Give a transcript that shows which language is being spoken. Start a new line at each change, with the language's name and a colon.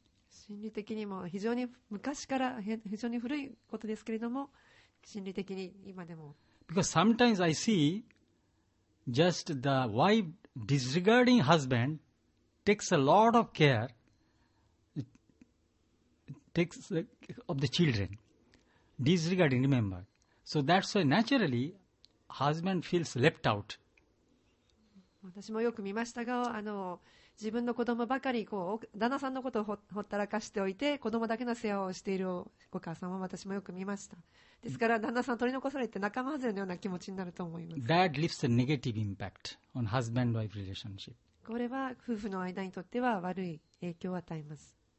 Japanese: 心理的にも非常に昔から非常に古いことですけれども、心理的に今でも。
English: Because sometimes I see just the wife disregarding husband takes a lot of care. Takes of the children, disregarding, remember. So that's why naturally, husband feels left out.
Japanese: 私もよく見ましたが、自分の子供ばかりこう旦那さんのことをほったらかしておいて、子供だけの世話をしているお母さんは私もよく見ました。ですから旦那さん取り残されて仲間外れのような気持ちになると思います。
English: That leaves a negative impact on husband-wife relationship.
Japanese: これは夫婦の間にとっては悪い影響を与えます。